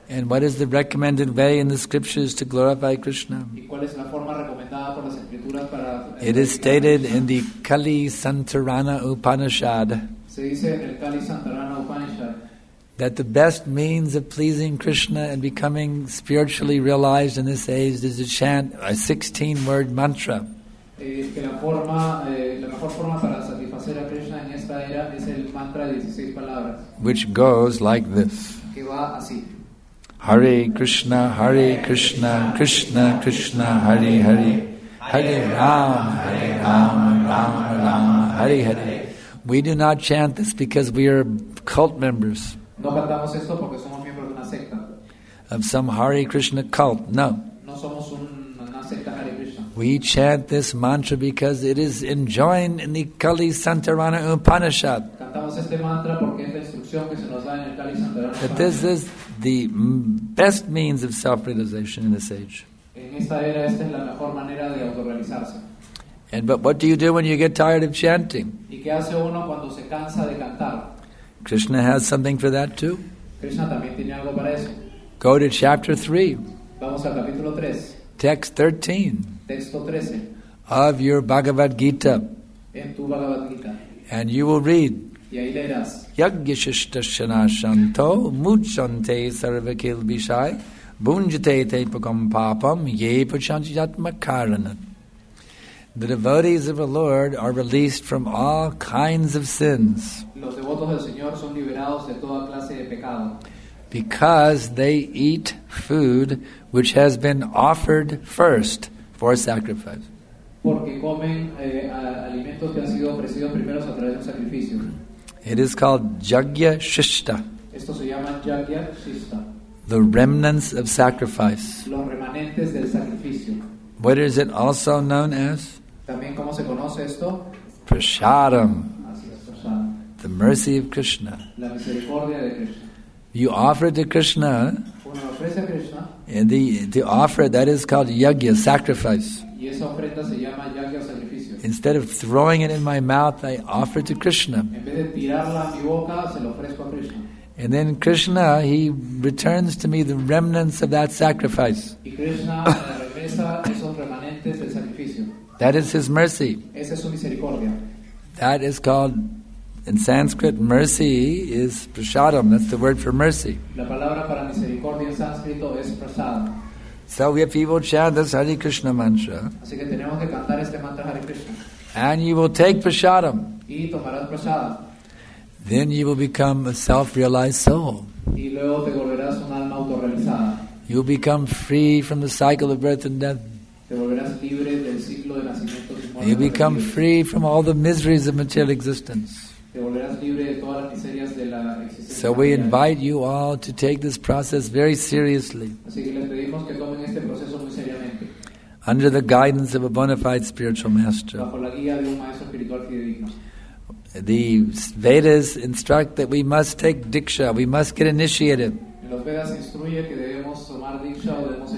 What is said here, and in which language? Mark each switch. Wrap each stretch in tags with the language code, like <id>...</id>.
<en>And what is the recommended way in the scriptures to glorify Krishna?</en> <es>¿Y cuál es la forma recomendada por las escrituras para?</es> <en>It is stated in the Kali Santarana Upanishad.</en> <es>Se dice en el Kali Santarana Upanishad.</es> <en>That the best means of pleasing Krishna and becoming spiritually realized in this age is to chant a 16-word mantra.</en> <es>Que la mejor forma para satisfacer a Krishna en esta era es el mantra de 16 palabras.</es> <en>Which goes like this.</en> <es>Que va así.</es> <sa>Hare Krishna, Krishna Krishna, Hare Hare, Hare Rama, Rama Rama, Hare Hare.</sa> <en>We do not chant this because we are cult members.</en> <es>No cantamos esto porque somos miembros de una secta.</es> <en>Of some Hare Krishna cult. No.</en> <es>No somos una secta Hare Krishna.</es> <en>We chant this mantra because it is enjoined in the Kali Santarana Upanishad.</en> <es>Cantamos este mantra porque es la instrucción que se nos da en el Kali Santarana Upanishad.</es> <en>That this is the best means of self-realization in this age.</en> <es>En esta era esta es la mejor manera de autorrealizarse.</es> <en>But what do you do when you get tired of chanting?</en> <es>¿Y qué hace uno cuando se cansa de cantar?</es> <en>Krishna has something for that too.</en> <es>Krishna también tiene algo para eso.</es> <en>Go to chapter 3.</en> <es>Vamos al capítulo 3.</es> <en>Text 13.</en> <es>Texto 13.</es> <en>Of your Bhagavad Gita.</en> <es>En tu Bhagavad Gita.</es> <en>And you will read.</en> <es>Y ahí leerás.</es> <sa>Yagyashishtashana shanto muchante sarvakil bishai bunjate te pukam papam ye puchanjyat makaranat.</sa> <en>The devotees of the Lord are released from all kinds of sins.</en> <es>Los devotos del Señor son liberados de toda clase de pecado.</es> <en>Because they eat food which has been offered first for sacrifice.</en> <es>Porque comen alimentos que han sido ofrecidos primero a través de un sacrificio.</es> <en>It is called Yagya Shishta.</en> <es>Esto se llama Yagya Shishta.</es> <en>The remnants of sacrifice.</en> <es>Los remanentes del sacrificio.</es> <en>What is it also known as?</en> <es>También cómo se conoce esto?</es> <en>Prasadam.</en> <es>Así es, prasadam.</es> <en>The mercy of Krishna.</en> <es>La misericordia de Krishna.</es> <en>You offer it to Krishna.</en> <es>Uno ofrece a Krishna.</es> <en>And the offer, that is called yagya, sacrifice.</en> <es>Y esa ofrenda se llama yagya, sacrificio.</es> <en>Instead of throwing it in my mouth, I offer it to Krishna.</en> <es>En vez de tirarla a mi boca, se lo ofrezco a Krishna.</es> <en>And then Krishna, he returns to me the remnants of that sacrifice.</en> <es>Y Krishna regresa esos remanentes del sacrificio.</es> <en>That is his mercy.</en> <es>Esa es su misericordia.</es> <en>That is called, in Sanskrit, mercy is prasadam. That's the word for mercy.</en> <es>La palabra para misericordia en sánscrito es prasadam.</es> <en>So we have people chant this Hare Krishna mantra.</en> <es>Así que tenemos que cantar este mantra Hare Krishna.</es> <en>And you will take prasadam.</en> <es>Y tomarás prasadam.</es> <en>Then you will become a self-realized soul.</en> <es>Y luego te volverás un alma autorrealizada.</es> <en>You will become free from the cycle of birth and death.</en> <es>Te volverás libre del ciclo de nacimiento y muerte.</es> <en>You become free from all the miseries of material existence.</en> <es>Te volverás libre de todas las miserias de la existencia.</es> <en>So we invite you all to take this process very seriously.</en> <es>Así que les pedimos que tomen este proceso muy seriamente.</es> <en>Under the guidance of a bona fide spiritual master.</en> <es>Bajo la guía de un maestro espiritual fidedigno.</es> <en>The Vedas instruct that we must take diksha, we must get initiated.</en> <es>Los Vedas instruye que debemos tomar diksha o debemos ser</es>